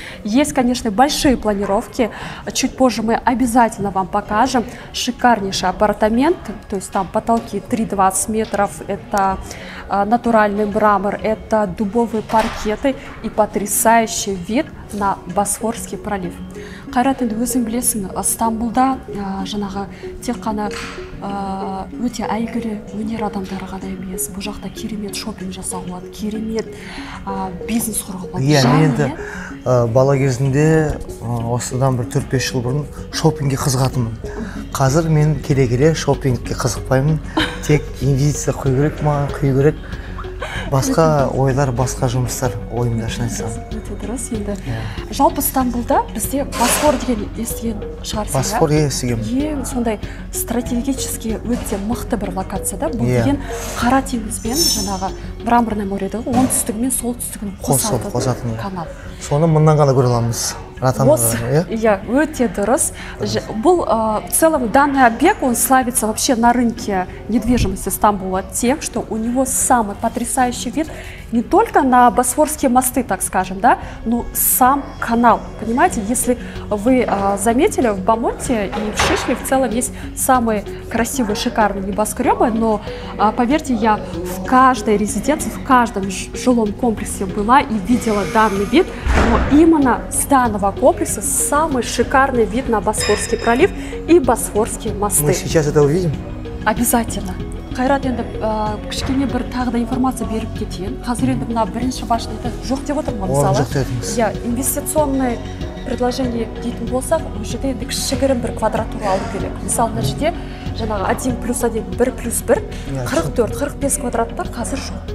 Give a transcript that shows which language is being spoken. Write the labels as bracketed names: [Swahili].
[Russian] Есть, конечно, большие планировки. Чуть позже мы обязательно вам покажем шикарнейший апартамент. То есть там потолки 3,20 метров, это натуральный мрамор, это дубовые паркеты и потрясающий вид на Босфорский пролив. [Kazakh] Қайрат, енді өзің білесің, Стамбулда жаңағы тек қана өте әйгілі өнер адамдары ғана емес. Бұл жақта керемет шопинг жасауға болады, керемет бизнес құруға болады. Yeah, мен енді бала кезімде осыдан бір 4-5 жыл бұрын шопингке қызығатынмын. Қазір мен келе-келе шопингке қызықпаймын. Тек инвестиция құю керек, маған құю керек. Басқа ойлар, басқа жұмыстар ойымда шынайсам. Өте дұрыс енді. Жалпы Стамбулда бізде Босфор деген естіген шығарсың. Босфор естігем. Ең сондай стратегически өте мұқты бір локацияда. Бұл деген Қара теңіз бен жаңағы Мраморное мореде оңтүстігі мен солтүстігін қосатын канал. Соны мұндан ғана көре аламыз. Я өте дұрыс. [Russian] Бұл в целом данный объект, он славится вообще на рынке недвижимости Стамбула тем, что у него самый потрясающий вид не только на Босфорские мосты, так скажем, да, но сам канал. Понимаете, если вы заметили, в Бамонте и в Шишле в целом есть самые красивые, шикарные небоскребы, но, поверьте, я в каждой резиденции, в каждом жилом комплексе была и видела данный вид, но именно с данного комплекса самый шикарный вид на Босфорский пролив и Босфорские мосты. Мы сейчас это увидим? Обязательно. [Kazakh] Қайрат, енді кішкене бір тағы да информация беріп кетейін. Қазір енді мына бірінші башнада жоқ деп отырмын, мысалы. Оны жоқ дедіңіз. Иә, инвестиционный предложение дейтін болсақ, ол жерде енді кішігірім бір квадратура алу керек. Мысалы, мына жерде жаңағы 1+1, 1+1, 44-45 квадраттар қазір жоқ.